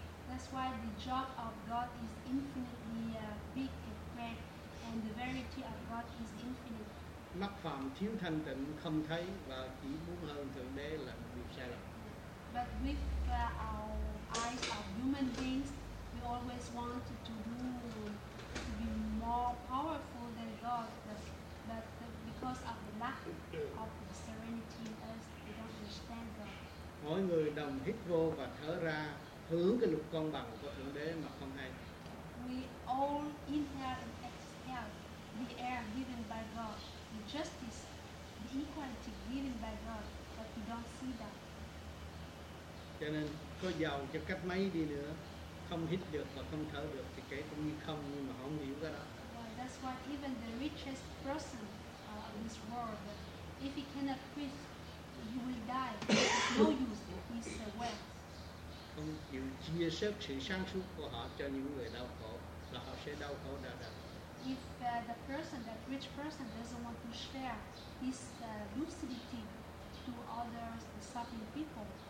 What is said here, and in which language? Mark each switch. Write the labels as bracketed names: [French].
[English] That's why the job of God is infinitely big and grand, and the verity of God is infinite. [Vietnamese] Mắt phàm thiếu thanh tịnh không thấy và chỉ muốn hơn Thượng Đế là bị sai lầm. [English] But with our eyes of human beings, we always want to be more powerful than God. But because of the lack of the serenity in us, we don't understand God. [Vietnamese] Mỗi người đồng hít vô và thở ra, hướng cái lục công bằng của Thượng Đế mà không hay. [English] We all inhale and exhale the air given by God, the justice, the equality given by God, but we don't see that. [Vietnamese] Cho nên có giàu cho cách mấy đi nữa, không hít được và không thở được thì kể cũng như không, nhưng mà không hiểu cái đó. [English] Well, that's why even the richest person in this world, if he cannot breathe, he will die. No use of his wealth. [Vietnamese] Không chịu chia sẻ sự sáng suốt của họ cho những người đau khổ là họ sẽ đau khổ đau đớn. [English] If the person, that rich person, doesn't want to share his lucidity to others, the suffering people,